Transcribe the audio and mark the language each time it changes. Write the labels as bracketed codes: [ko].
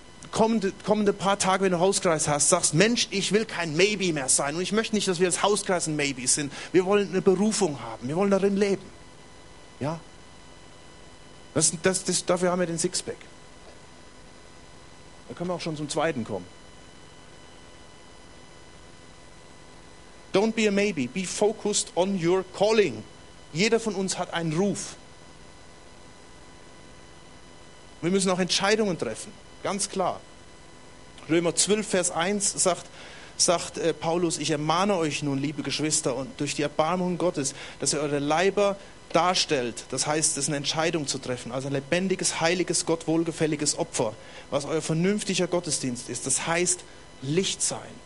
[de] Kommende paar Tage, wenn du Hauskreis hast, sagst, Mensch, ich will kein Maybe mehr sein und ich möchte nicht, dass wir als Hauskreis ein Maybe sind. Wir wollen eine Berufung haben, wir wollen darin leben. Ja? Dafür haben wir den Sixpack. Da können wir auch schon zum zweiten kommen. [en] Don't be a maybe, be focused on your calling. [de] Jeder von uns hat einen Ruf. Wir müssen auch Entscheidungen treffen, ganz klar. Römer 12, Vers 1 sagt Paulus, ich ermahne euch nun, liebe Geschwister, und durch die Erbarmung Gottes, dass ihr eure Leiber darstellt, das heißt, es ist eine Entscheidung zu treffen, also ein lebendiges, heiliges, Gott wohlgefälliges Opfer, was euer vernünftiger Gottesdienst ist, das heißt Licht sein.